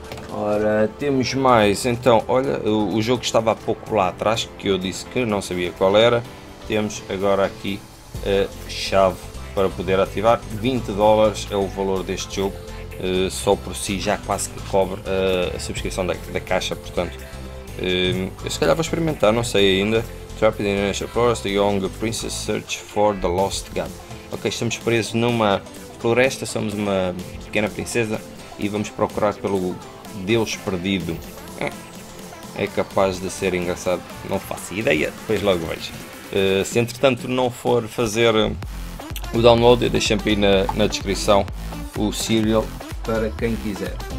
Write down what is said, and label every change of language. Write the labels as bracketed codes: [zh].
[pt] Ora, temos mais, então, olha, o jogo que estava há pouco lá atrás, que eu disse que não sabia qual era, temos agora aqui a chave para poder ativar. 20 dólares é o valor deste jogo, só por si já quase que cobre a subscrição da caixa, portanto. Eu se calhar vou experimentar, não sei ainda. [en] Trapped in a National Forest, the young princess search for the lost god. [pt] Ok, estamos presos numa floresta, somos uma pequena princesa e vamos procurar pelo Deus perdido. É capaz de ser engraçado, não faço ideia, depois logo vejo. Se entretanto não for fazer o download, eu deixo sempre aí na descrição o serial para quem quiser.